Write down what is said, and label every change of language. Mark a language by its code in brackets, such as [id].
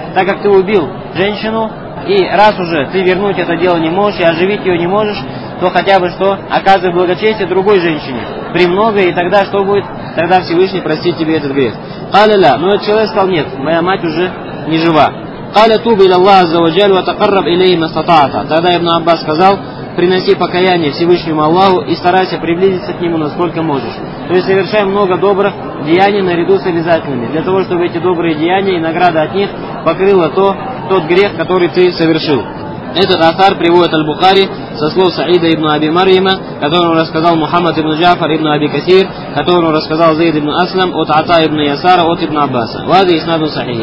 [ru] Так как ты убил женщину, и раз уже ты вернуть это дело не можешь и оживить ее не можешь, то хотя бы что? Оказывай благочестие другой женщине. Премного, и тогда что будет? Тогда Всевышний простит тебе этот грех. Халяля. Но этот человек сказал, нет, моя мать уже не жива. [ar] قال توب إلى الله عز وجل وتقرب إليه ما استطعت. [ru] Тогда ибн Аббас сказал: приноси покаяние Всевышнему Аллаху и старайся приблизиться к Нему насколько можешь. То есть совершай много добрых деяний наряду с обязательными, для того чтобы эти добрые деяния и награда от них покрыла тот грех, который ты совершил. Этот асар приводит Аль-Бухари со слов Саида ибн Аби Марьяма, которому рассказал Мухаммад ибн Джафар ибн Аби Касир, которому рассказал Заид ибн Аслам от Ата ибн Ясара от ибн Аббаса. [ar] Вази иснаду сахихи.